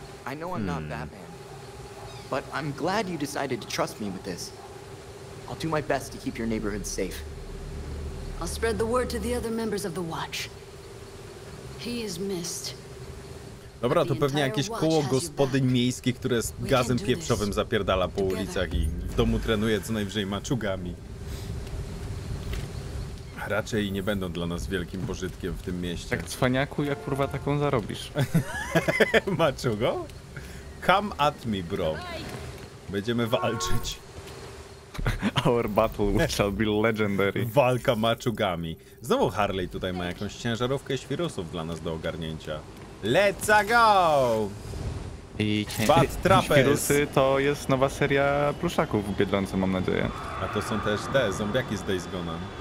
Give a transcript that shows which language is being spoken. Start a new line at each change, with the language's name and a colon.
English: I know I'm not Batman, but I'm glad you decided to trust me with this. I'll do my best to keep your neighborhood safe. I'll spread the word to the other members of the watch. He is missed.
Polish: Dobra, to pewnie jakieś koło gospodyń miejskich, które z gazem pieprzowym zapierdala po ulicach i w domu trenuje co najwyżej maczugami. Raczej nie będą dla nas wielkim pożytkiem w tym mieście. Tak cwaniaku, jak kurwa taką zarobisz? Maczugo?
English: Come at me, bro.
Polish: Będziemy walczyć.
English: Our battle shall be legendary.
Polish: Walka maczugami. Znowu Harley tutaj ma jakąś ciężarówkę świrusów dla nas do ogarnięcia.
English: Let's go!
Polish: I świrusy to jest nowa seria pluszaków w Biedronce, mam nadzieję. A to są też te zombiaki z Days Gone.